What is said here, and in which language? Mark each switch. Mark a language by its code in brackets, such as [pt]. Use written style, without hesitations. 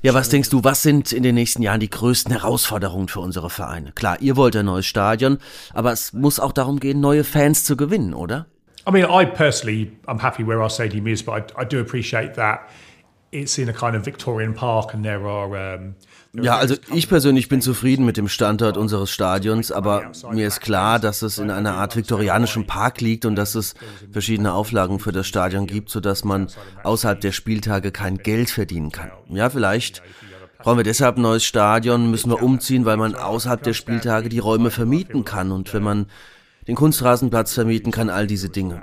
[de] Ja, was denkst du, was sind in den nächsten Jahren die größten Herausforderungen für unsere Vereine? Klar, ihr wollt ein neues Stadion, aber es muss auch darum gehen, neue Fans zu gewinnen, oder? [en] I mean, I personally, I'm happy where our stadium is, but I do appreciate that it's in a kind of Victorian park and there are. [de] Ja, also ich persönlich bin zufrieden mit dem Standort unseres Stadions, aber mir ist klar, dass es in einer Art viktorianischem Park liegt und dass es verschiedene Auflagen für das Stadion gibt, sodass man außerhalb der Spieltage kein Geld verdienen kann. Ja, vielleicht brauchen wir deshalb ein neues Stadion, müssen wir umziehen, weil man außerhalb der Spieltage die Räume vermieten kann und wenn man den Kunstrasenplatz vermieten kann, all diese Dinge.